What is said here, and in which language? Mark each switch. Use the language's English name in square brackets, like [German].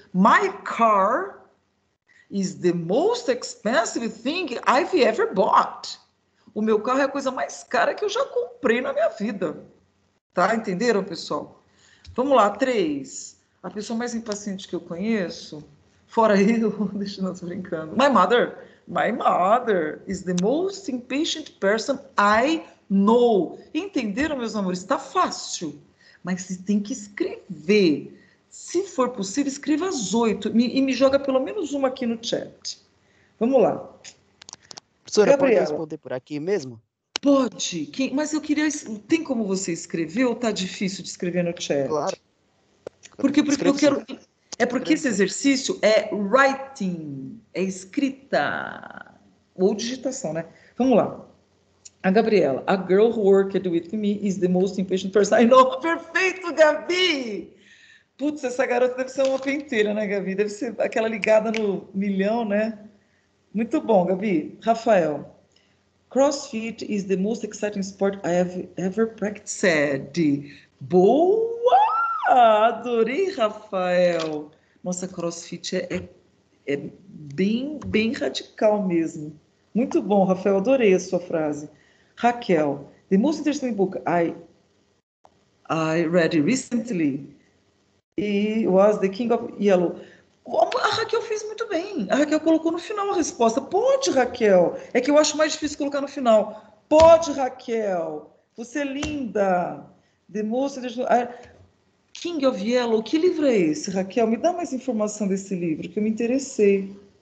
[English] My car is the most expensive thing I've ever bought. [Portuguese] O meu carro é a coisa mais cara que eu já comprei na minha vida. Tá? Entenderam, pessoal? Vamos lá, três. A pessoa mais impaciente que eu conheço, fora eu, deixa eu estar brincando. [English] My mother is the most impatient person I know. [Portuguese] Entenderam, meus amores? Está fácil, mas você tem que escrever. Se for possível, escreva as oito e me joga pelo menos uma aqui no chat. Vamos lá. Professora, Gabriela, pode responder por aqui mesmo? Pode, mas eu queria... Tem como você escrever ou está difícil de escrever no chat? Claro. Porque eu quero. É porque esse exercício é writing, é escrita ou digitação, né? Vamos lá. A Gabriela. [English] A girl who worked with me is the most impatient person I know. [Portuguese] Perfeito, Gabi! Putz, essa garota deve ser uma penteira, né, Gabi? Deve ser aquela ligada no milhão, né? Muito bom, Gabi. Rafael. [English] CrossFit is the most exciting sport I have ever practiced. [Portuguese] Boa! Ah, adorei, Rafael. Nossa, CrossFit é bem, bem radical mesmo. Muito bom, Rafael. Adorei a sua frase. Raquel. [English] The most interesting book I read recently was The King of Yellow. [Portuguese] A Raquel fez muito bem. A Raquel colocou no final a resposta. Pode, Raquel. É que eu acho mais difícil colocar no final. Pode, Raquel. Você é linda. [English] The most interesting... [Portuguese] King of Yellow, que livro é esse, Raquel? Me dá mais informação desse livro, que eu me interessei.